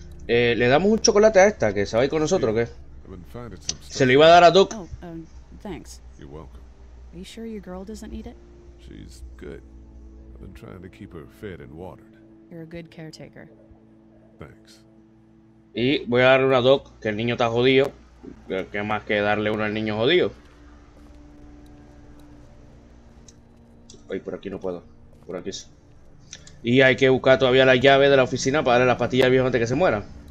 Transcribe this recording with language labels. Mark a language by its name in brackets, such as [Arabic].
[Spanish] Le damos un chocolate a esta que se va a ir con nosotros, ¿qué? Se lo iba a dar a Doc. [English] Oh, thanks. You're welcome. Are you sure your girl doesn't need it? She's good. I've been trying to keep her fed and watered. You're a good caretaker. Thanks. [Spanish] Y voy a darle una Doc, que el niño está jodido. ¿Qué más que darle uno al niño jodido? Ay, por aquí no puedo. Por aquí sí. Y hay que buscar todavía la llave de la oficina para darle la pastilla al viejo antes que se muera.